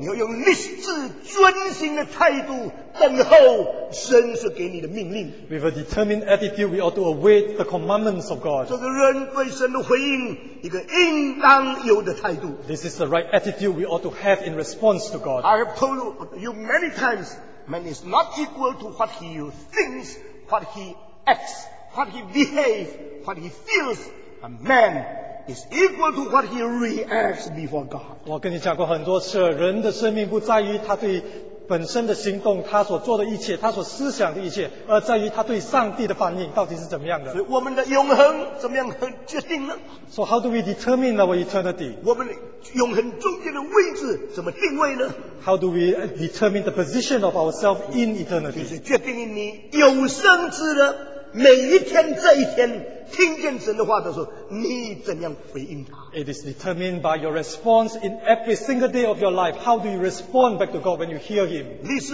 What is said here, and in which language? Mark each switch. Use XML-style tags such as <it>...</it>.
<zh>你要用立志遵行的态度等候神所给你的命令。</zh> <en>With a determined attitude, we ought to await the commandments of God.</en> <zh>这个人对神的回应一个应当有的态度。</zh> <en>This is the right attitude we ought to have in response to God. I have told you many times. Man is not equal to what he thinks, what he acts, what he behaves, what he feels, a man is equal to what he reacts before God.</en> <zh>我跟你讲过很多次，人的生命不在于他对。本身的行动，他所做的一切，他所思想的一切，而在于他对上帝的反应到底是怎么样的。所以我们的永恒怎么样决定呢？</zh> <en>So how do we determine our eternity?</en> <zh>我们永恒中间的位置怎么定位呢？</zh> <en>How do we determine the position of ourselves in eternity?</en> <zh>就是决定你有生之的每一天这一天。听见神的话的时候，你怎样回应他？</zh> <en>It is determined by your response in every single day of your life. How do you respond back to God when you hear Him?</en>